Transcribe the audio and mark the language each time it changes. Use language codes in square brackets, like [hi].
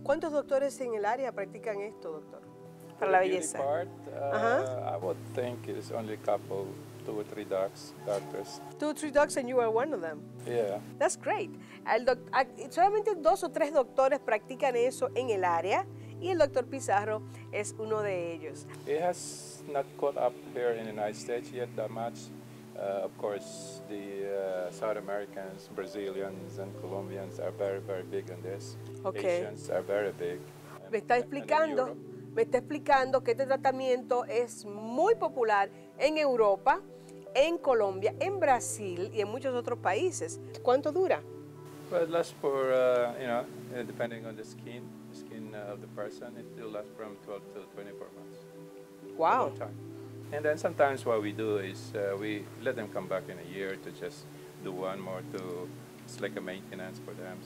[es] ¿Cuántos doctores en el área practican esto, doctor? Para [en] the [es] la belleza. [en] Part, uh-huh. I would think it's only a couple, 2 or 3 doctors. 2 or 3 docs and you are one of them. Yeah. That's great. [es] Solamente 2 o 3 doctores practican eso en el área y el doctor Pizarro es uno de ellos. [en] It has not caught up here in the United States yet that much. Of course, the South Americans, Brazilians and Colombians are very, very big on this. Okay. Asians are very big. [es] Me está explicando. Me está explicando que este tratamiento es muy popular en Europa, en Colombia, en Brasil y en muchos otros países. ¿Cuánto dura? [en] Well, it lasts for, depending on the skin of the person, it will last from 12 to 24 months. Wow. A long time. And then sometimes what we do is we let them come back in a year to just do one more, it's like a maintenance for them.